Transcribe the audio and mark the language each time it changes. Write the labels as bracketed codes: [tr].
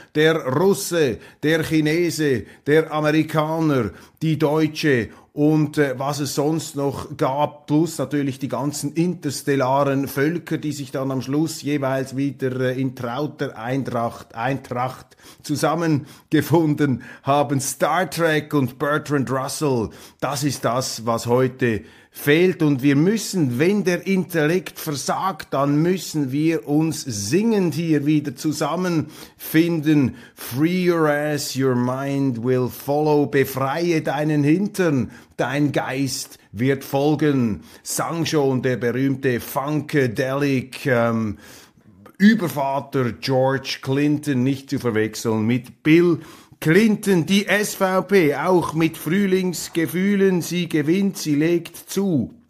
[de] der Russe, der Chinese, der Amerikaner, die Deutsche und was es sonst noch gab, plus natürlich die ganzen interstellaren Völker, die sich dann am Schluss jeweils wieder in trauter Eintracht zusammengefunden haben. Star Trek und Bertrand Russell, das ist das, was heute fehlt. Und wir müssen, wenn der Intellekt versagt, dann müssen wir uns singend hier wieder zusammenfinden. [en] Free your ass, your mind will follow. [de] Befreie deinen Hintern, dein Geist wird folgen. Sang schon der berühmte Funkadelic Übervater George Clinton, nicht zu verwechseln mit Bill Clinton. Die SVP auch mit Frühlingsgefühlen, sie gewinnt, sie legt zu.